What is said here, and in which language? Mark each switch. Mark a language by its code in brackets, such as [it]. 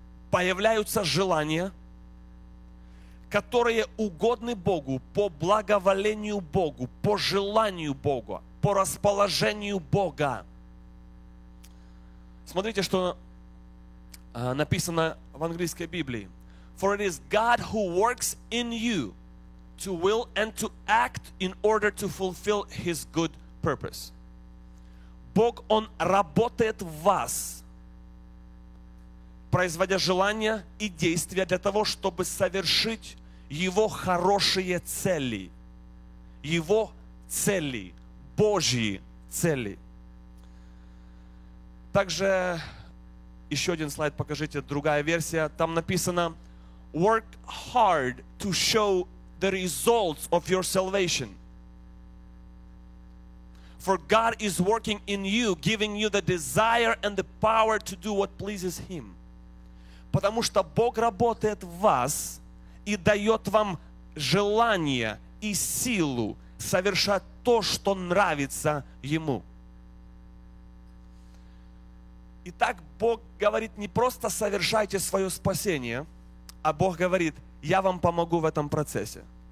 [ru] появляются желания, которые угодны Богу, по благоволению Богу, по желанию Бога, по расположению Бога. Смотрите, что написано в английской Библии. [en] For it is God who works in you to will and to act in order to fulfill His good purpose. [ru] Бог, Он работает в вас, производя желания и действия для того, чтобы совершить Его хорошие цели. Его цели, Божьи цели. Также, еще один слайд покажите, другая версия. Там написано, [en] work hard to show the results of your salvation. For God is working in you, giving you the desire and the power to do what pleases Him. [ru] Потому что Бог работает в вас и дает вам желание и силу совершать то, что нравится Ему. Итак, Бог говорит, не просто совершайте свое спасение, а Бог говорит, я вам помогу в этом процессе.